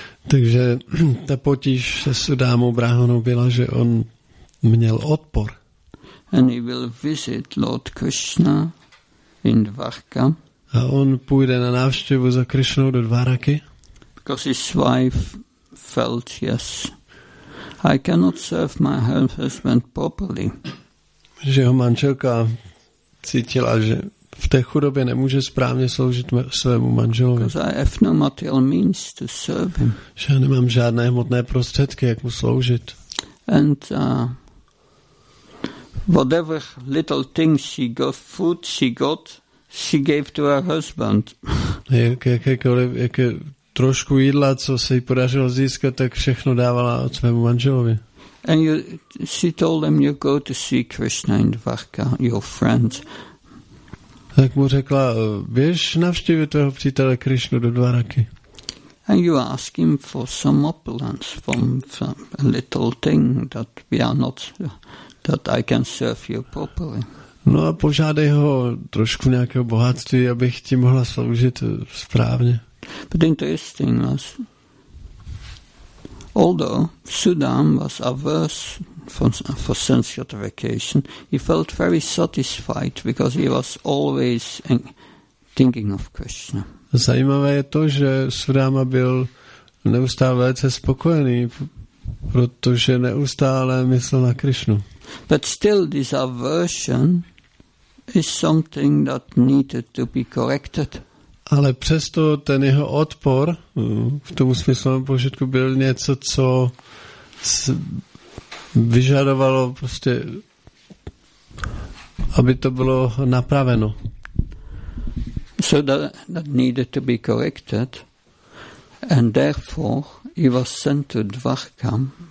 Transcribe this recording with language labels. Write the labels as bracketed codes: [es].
[cs] Takže ta potíž se Sudámou Brahmanou byla, že on měl odpor. [en] And he will visit Lord Krishna in Dvarka. [cs] A on půjde na návštěvu za Krišnou do Dvaraky. [en] Because his wife felt, yes, I cannot serve my husband properly. [cs] Že jeho manželka cítila, že v té chudobě nemůže správně sloužit svému manželovi. [en] Because I have no material means to serve him. [cs] Že já nemám žádné hmotné prostředky, jak mu sloužit. [en] And whatever little things she got, food she got, she gave to her husband. [cs] Jaké trošku jídla, co se jí podařilo získat, tak všechno dávala od svému manželovi. [en] And you, she told him, you go to see Krishna in Dvarka, your friend. [cs] Tak mu řekla, běž navštívit tvého přítele Krishnu do Dvaraky. [en] And you ask him for some opulence, from a little thing that we are not, that I can serve you properly. [cs] No a požádej ho trošku nějakého bohatství, abych ti mohla sloužit správně. [en] But interesting was, although Sudam was averse for sense gratification, he felt very satisfied because he was always thinking of Krishna. [cs] Zajímavé je to, že Sudama byl neustále velice spokojený, protože neustále myslel na Krishnu. [en] But still this aversion is something that needed to be corrected. [cs] Ale přesto ten jeho odpor v tom smyslovém požitku byl něco, co vyžadovalo prostě, aby to bylo napraveno. [en] So that needed to be corrected and therefore he was sent to Dvarka.